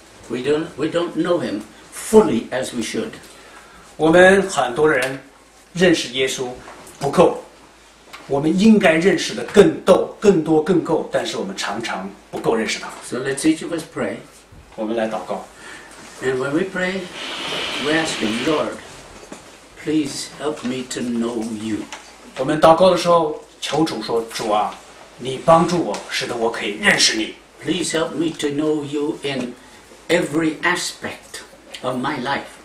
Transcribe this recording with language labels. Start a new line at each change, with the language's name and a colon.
English: We don't know him fully as we should.
Chinese: 我们很多人认识耶稣不够，我们应该认识的更多、更多、更够，但是我们常常不够认识他。
English: So let's each of us pray.
Chinese: 我们来祷告。
English: And when we pray, we ask him, Lord, please help me to know you.
Chinese: 我们祷告的时候，求主说：“主啊，你帮助我，使得我可以认识你。”
English: Please help me to know you in every aspect of my life.